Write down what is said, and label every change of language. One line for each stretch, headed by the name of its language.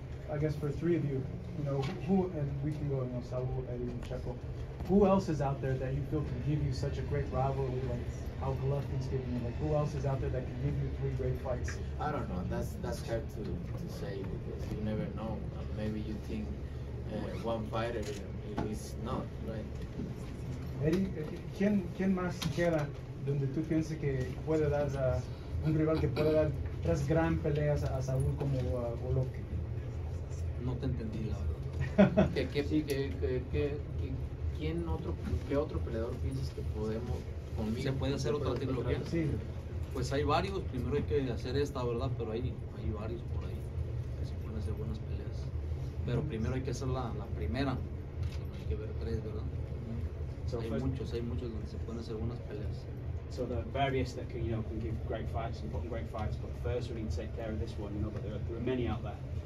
English: I guess for three of you, Saul, Eddie, and Checo, who else is out there that you feel can give you such a great rivalry? How Golovkin's giving you, who else is out there that can give you three great fights? I don't know, that's hard to say, because you never know. Maybe you think one fighter, it is not, right?
Spanish: Eddie, ¿quién más queda donde tú piensas que puede dar a un rival que puede dar tres gran peleas a Saúl como a Golovkin? No te entendí, la verdad. ¿Qué otro peleador piensas que podemos... Conmigo. ¿Se puede hacer otra trilogía? Sí. Pues hay varios, primero hay que hacer esta, ¿verdad? Pero hay varios por ahí que se pueden hacer buenas peleas. Pero primero hay que hacer la primera, hay que ver tres, ¿verdad? So hay muchos donde se pueden hacer buenas peleas.
English: So the various that can, can give great fights, important great fights, but first we need to take care of this one, but there are many out there.